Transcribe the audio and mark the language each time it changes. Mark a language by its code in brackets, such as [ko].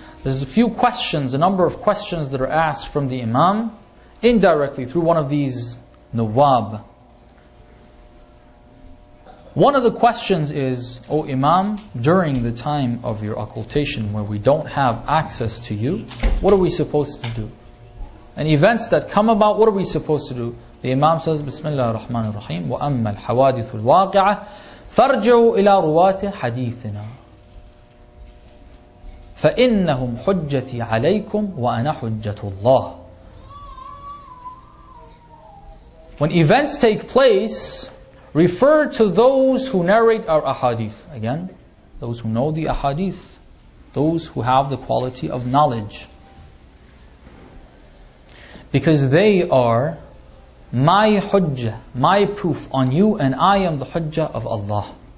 [en] There's a few questions, a number of questions that are asked from the imam indirectly through one of these nawab. One of the questions is, O imam, during the time of your occultation where we don't have access to you, what are we supposed to do? And events that come about, what are we supposed to do? The imam says, [ar] Bismillah ar-Rahman ar-Rahim, وَأَمَّا الْحَوَادِثُ الْوَاقِعَةِ فَرْجَوْا إِلَىٰ رُوَاتِ حَدِيثِنَا فَإِنَّهُمْ حُجَّتِ عَلَيْكُمْ وَأَنَا حُجَّةُ اللَّهِ. [en] When events take place, refer to those who narrate our ahadith. Again, those who know the ahadith, those who have the quality of knowledge. Because they are my hujjah, my proof on you, and I am the hujjah of Allah.